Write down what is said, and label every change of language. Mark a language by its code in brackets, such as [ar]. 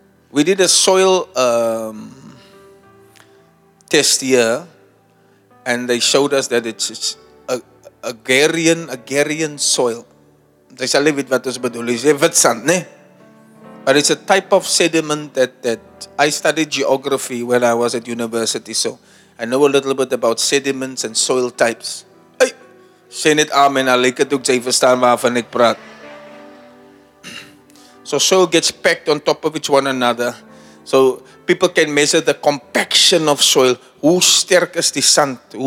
[en] We did a soil test here and they showed us that it's agrarian soil. They say leave it what is [af] bedoel is wit sand, né? [en] But it's a type of sediment that I studied geography when I was at university, so I know a little bit about sediments and soil types. [af] Hey, sê net amen, [en] I like it [af] ook jy verstaan waarvan ek praat. [en] So soil gets packed on top of each one another. So people can measure the compaction of soil. [af] Hoe sterk is die sand?